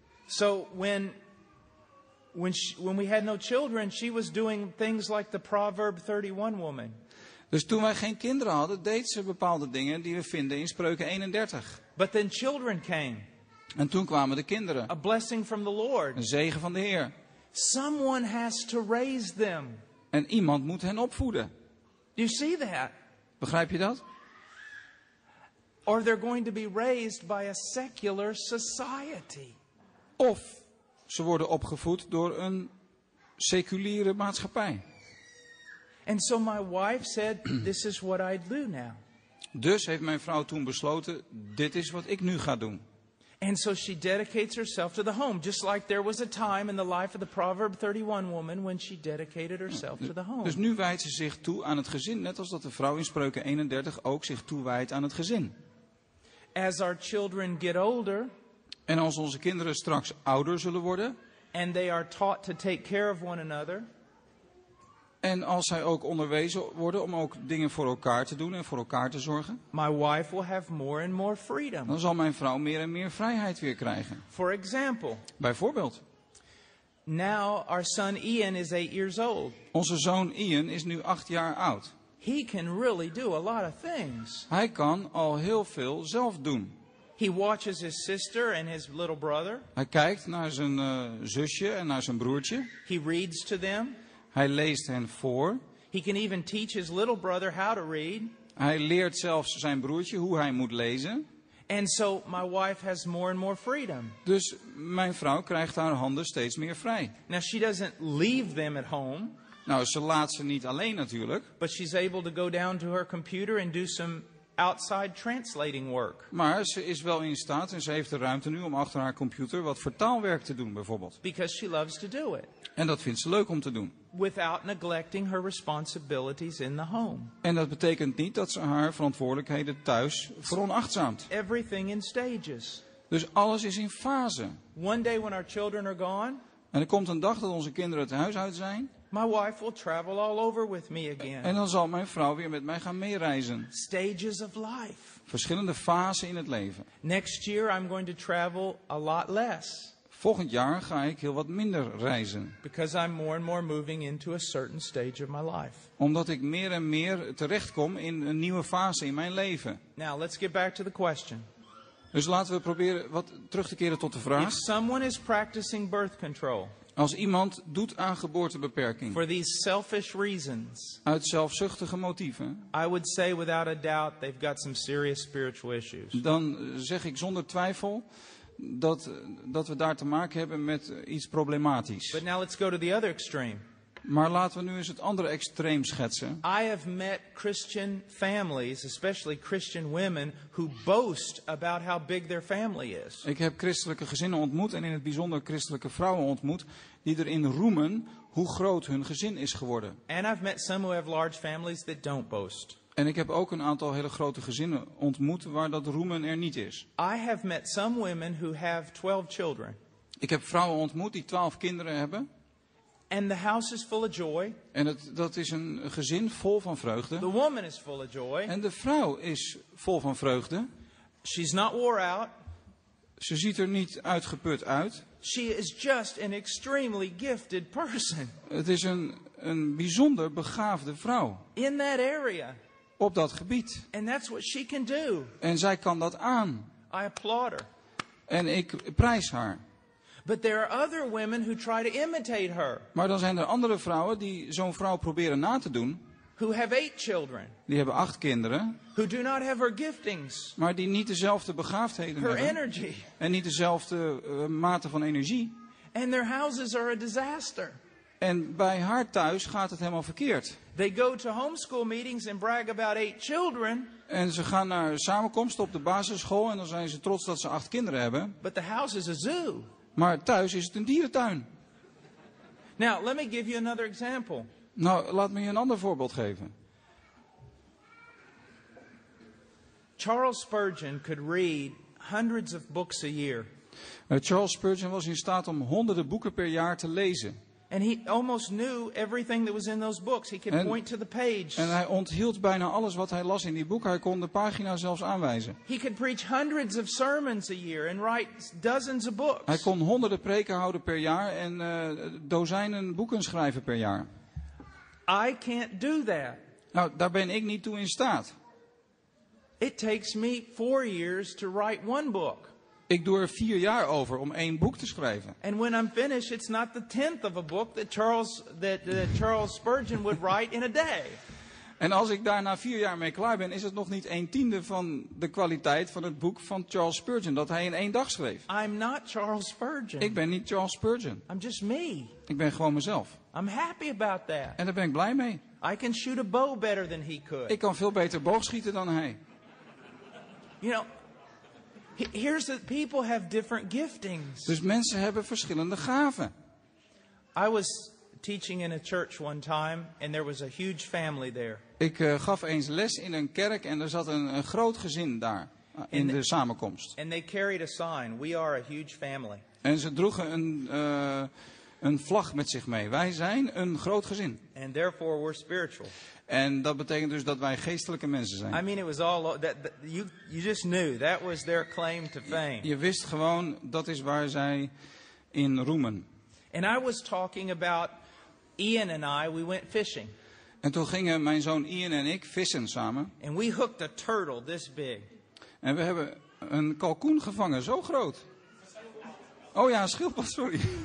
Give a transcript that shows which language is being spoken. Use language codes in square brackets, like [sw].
[en] So when we had no children, she was doing things like the Proverb 31 woman. [nl] Dus toen wij geen kinderen hadden, deed ze bepaalde dingen die we vinden in Spreuken 31. [en] But then children came. [nl] En toen kwamen de kinderen. [en] A blessing from the Lord. [nl] Een zegen van de Heer. [en] Someone has to raise them. [nl] En iemand moet hen opvoeden. [en] Do you see that? [nl] Begrijp je dat? [en] Or they're going to be raised by a secular society. [nl] Of ze worden opgevoed door een seculiere maatschappij. [en] And so my wife said, "This is what I do now." [nl] Dus heeft mijn vrouw toen besloten, dit is wat ik nu ga doen. [en] And so she dedicates herself to the home, just like there was a time in the life of the Proverb 31 woman when she dedicated herself to the home. [nl] Dus nu wijdt ze zich toe aan het gezin, net als dat de vrouw in Spreuken 31 ook zich toewijdt aan het gezin. [en] As our children get older, [nl] en als onze kinderen straks ouder zullen worden, [en] and they are taught to take care of one another, [nl] en als zij ook onderwezen worden om ook dingen voor elkaar te doen en voor elkaar te zorgen. [en] My wife will have more and more freedom. [nl] Dan zal mijn vrouw meer en meer vrijheid weer krijgen. [en] For example, [nl] bijvoorbeeld. [en] Now our son Ian is 8 years old. [nl] Onze zoon Ian is nu 8 jaar oud. [en] He can really do a lot of things. [nl] Hij kan al heel veel zelf doen. [en] He watches his sister and his little brother. [nl] Hij kijkt naar zijn zusje en naar zijn broertje. [en] He reads to them. [nl] Hij leest hen voor. [en] He can even teach his little brother how to read. [nl] Hij leert zelfs zijn broertje hoe hij moet lezen. [en] And so my wife has more and more freedom. [nl] Dus mijn vrouw krijgt haar handen steeds meer vrij. [en] Now she doesn't leave them at home. [nl] Nou, ze laat ze niet alleen natuurlijk. [en] But she's able to go down to her computer and do some outside translating work. [nl] Maar ze is wel in staat en ze heeft de ruimte nu om achter haar computer wat vertaalwerk te doen bijvoorbeeld. [en] Because she loves to do it. [nl] En dat vindt ze leuk om te doen. [en] Without neglecting her responsibilities in the home. [nl] En dat betekent niet dat ze haar verantwoordelijkheden thuis veronachtzaamt. [en] Everything in stages. [nl] Dus alles is in fase. [en] One day when our children are gone. [nl] En er komt een dag dat onze kinderen het huis uit zijn. [en] My wife will travel all over with me again. [nl] En dan zal mijn vrouw weer met mij gaan meereizen. [en] Stages of life. [nl] Verschillende fasen in het leven. [en] Next year I'm going to travel a lot less. [nl] Volgend jaar ga ik heel wat minder reizen. [en] Because I'm more and more moving into a certain stage of my life. [nl] Omdat ik meer en meer terechtkom in een nieuwe fase in mijn leven. [en] Now let's get back to the question. [nl] Dus laten we proberen wat terug te keren tot de vraag. [en] If someone is practicing birth control. [nl] Als iemand doet aan geboortebeperking. [en] For these selfish reasons. [nl] Uit zelfzuchtige motieven. [en] I would say without a doubt they've got some serious spiritual issues. [nl] Dan zeg ik zonder twijfel dat we daar te maken hebben met iets problematisch. [en] But now let's go to the other extreme. [nl] Maar laten we nu eens het andere extreem schetsen. [en] I have met Christian families, especially Christian women, who boast about how big their family is. [nl] Ik heb christelijke gezinnen ontmoet en in het bijzonder christelijke vrouwen ontmoet die erin roemen hoe groot hun gezin is geworden. [en] And I've met some who have large families that don't boast. [nl] En ik heb ook een aantal hele grote gezinnen ontmoet waar dat roemen er niet is. [en] I have met some women who have 12 children. [nl] Ik heb vrouwen ontmoet die 12 kinderen hebben. [en] And the house is full of joy. [nl] En dat is een gezin vol van vreugde. [en] The woman is full of joy. [nl] En de vrouw is vol van vreugde. [en] She's not wore out. [nl] Ze ziet er niet uitgeput uit. [en] She is just an extremely gifted person. [nl] Het is een bijzonder begaafde vrouw. [en] In that area. [nl] Op dat gebied. [en] And that's what she can do. [nl] En zij kan dat aan. [en] I applaud her. [nl] En ik prijs haar. [en] But there are other women who try to imitate her. [nl] Maar dan zijn er andere vrouwen die zo'n vrouw proberen na te doen. [en] Who have 8 children. [nl] Die hebben 8 kinderen. [en] Who do not have her giftings. [nl] Maar die niet dezelfde begaafdheden [en] her [nl] hebben. [en] Her energy. [nl] En niet dezelfde mate van energie. [en] And their houses are a disaster. [nl] En bij haar thuis gaat het helemaal verkeerd. [en] They go to homeschool meetings and brag about 8 children. [nl] En ze gaan naar samenkomsten op de basisschool en dan zijn ze trots dat ze 8 kinderen hebben. [en] But the house is a zoo. [nl] Maar thuis is het een dierentuin. [en] Now, let me give you another example. [nl] Nou, laat me je een ander voorbeeld geven. [en] Charles Spurgeon could read hundreds of books a year. [nl] Charles Spurgeon was in staat om honderden boeken per jaar te lezen. [en] And he almost knew everything that was in those books. He could point to the page. [nl] En hij onthield bijna alles wat hij las in die boek. Hij kon de pagina zelfs aanwijzen. [en] He could preach hundreds of sermons a year and write dozens of books. [nl] Hij kon honderden preken houden per jaar en dozijnen boeken schrijven per jaar. [en] I can't do that. [nl] Nou, daar ben ik niet toe in staat. [en] It takes me 4 years to write one book. [nl] Ik doe er 4 jaar over om 1 boek te schrijven. [en] And when I'm finished, it's not the tenth of a book that Charles Spurgeon would write in a day. [nl] En als ik daar na 4 jaar mee klaar ben, is het nog niet 1/10 van de kwaliteit van het boek van Charles Spurgeon dat hij in 1 dag schreef. [en] I'm not Charles Spurgeon. [nl] Ik ben niet Charles Spurgeon. [en] I'm just me. [nl] Ik ben gewoon mezelf. [en] I'm happy about that. [nl] En daar ben ik blij mee. [en] I can shoot a bow better than he could. [nl] Ik kan veel beter boog schieten dan hij. [en] You know. Here's that people have different giftings. [nl] Dus mensen hebben verschillende gaven. [en] I was teaching in a church one time and there was a huge family there. [nl] Ik gaf eens les in een kerk en er zat een groot gezin daar in de samenkomst. [en] And they carried a sign, we are a huge family. [nl] En ze droegen een vlag met zich mee. Wij zijn een groot gezin. [en] And therefore we're spiritual. [nl] En dat betekent dus dat wij geestelijke mensen zijn. [en] I mean, it was all you just knew that was their claim to fame. [nl] Je wist gewoon dat is waar zij in roemen. [en] And I was talking about Ian and I. We went fishing. [nl] En toen gingen mijn zoon Ian en ik vissen samen. [en] And we hooked a turtle this big. [nl] En we hebben een kalkoen gevangen, zo groot. Oh ja, een schildpad, sorry.